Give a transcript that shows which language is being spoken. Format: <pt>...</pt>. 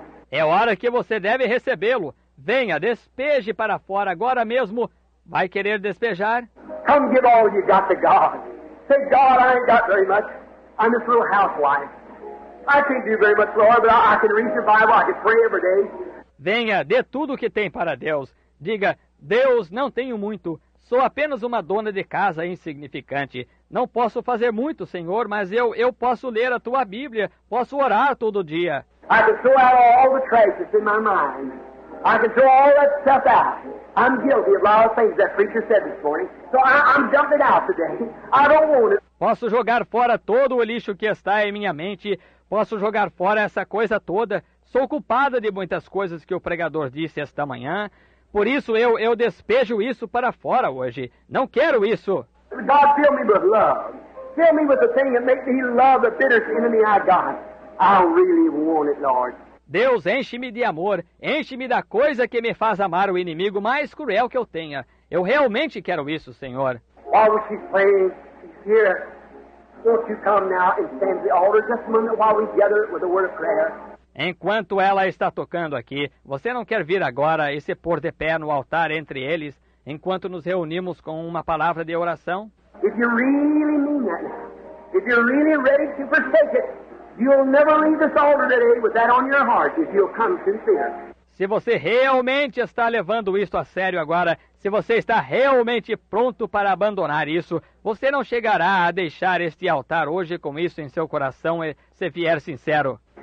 <pt>É hora que você deve recebê-lo. Venha, despeje para fora agora mesmo. Vai querer despejar?</pt> <en>Come give all you got to God. Say, God, I ain't got very much. I'm this little housewife. I can't do very much, Lord, but I can read the Bible. I can pray every day.</en> <pt>Venha, dê tudo o que tem para Deus. Diga, Deus, não tenho muito. Sou apenas uma dona de casa insignificante. Não posso fazer muito, Senhor, mas eu posso ler a Tua Bíblia. Posso orar todo dia.</pt> <en>I can throw out all the trash that's in my mind. I can throw all that stuff out. I'm guilty of a lot of things that preacher said this morning. So I'm dumping out today. I don't want it.</en> <pt>Posso jogar fora todo o lixo que está em minha mente. Posso jogar fora essa coisa toda. Sou culpada de muitas coisas que o pregador disse esta manhã. Por isso eu despejo isso para fora hoje. Não quero isso.</pt> <en>God, fill me with love. Fill me with the thing that makes me love the bitterest enemy I got. I really want it, Lord.</en> <pt>Deus, enche-me de amor. Enche-me da coisa que me faz amar o inimigo mais cruel que eu tenha. Eu realmente quero isso, Senhor.</pt> <en>While we keep praying, here, won't you come now and stand at the altar just a moment while we gather with a word of prayer?</en> <pt>Enquanto ela está tocando aqui, você não quer vir agora e se pôr de pé no altar entre eles, enquanto nos reunimos com uma palavra de oração?</pt> <en>If you really mean that, if you're really ready to forsake it, you'll never leave this altar today with that on your heart if you'll come sincere.</en> <pt>Se você realmente está levando isto a sério agora, se você está realmente pronto para abandonar isso, você não chegará a deixar este altar hoje com isso em seu coração se vier sincero.</pt>